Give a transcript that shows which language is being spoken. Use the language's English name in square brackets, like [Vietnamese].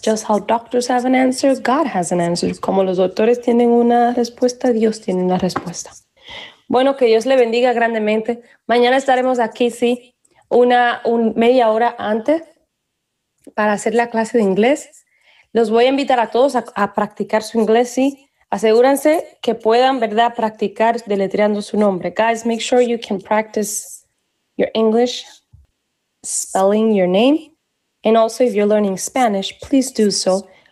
[English] Just how doctors have an answer, God has an answer. [Spanish] Como los doctores tienen una respuesta, Dios tiene una respuesta. Bueno, que Dios le bendiga grandemente. Mañana estaremos aquí, sí, una media hora antes para hacer la clase de inglés. Los voy a invitar a todos a practicar su inglés, sí. Asegúrense que puedan, ¿verdad?, practicar deletreando su nombre. [English] Guys, make sure you can practice your English, spelling your name. And also, if you're learning Spanish, please do so.